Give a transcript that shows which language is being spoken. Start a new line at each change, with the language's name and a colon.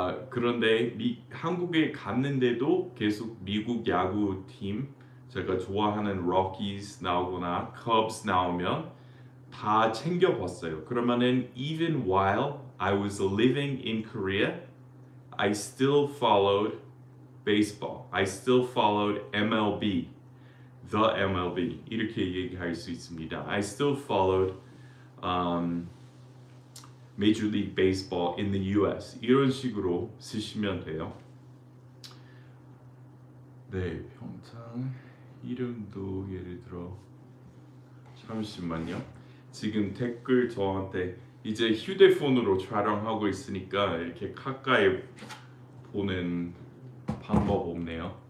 Korean: 그런데 한국에 갔는데도 계속 미국 야구 팀 제가 좋아하는 Rockies 나오거나 Cubs 나오면 다 챙겨봤어요.
English: 그러면은 even while I was living in Korea, I still followed baseball. I still followed MLB. the MLB.
Korean: 이렇게 얘기할 수 있습니다.
English: I still followed Major League Baseball in the US.
Korean: 이런 식으로 쓰시면 돼요. 네, 평창 이름도 예를 들어 잠시만요. 지금 댓글 저한테 이제 휴대폰으로 촬영하고 있으니까 이렇게 가까이 보는 방법 없네요.